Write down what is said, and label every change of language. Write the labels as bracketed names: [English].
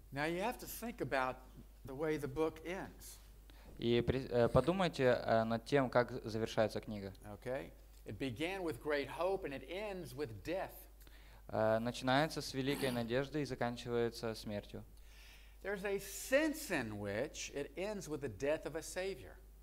[English] Now you have to think about the way the book ends. [Russian] И подумайте над тем, как завершается книга. [English] Okay. It began with great hope and it ends with death. [Russian] Начинается с великой надежды и заканчивается смертью. [English] There's a sense in which it ends with the death of a savior.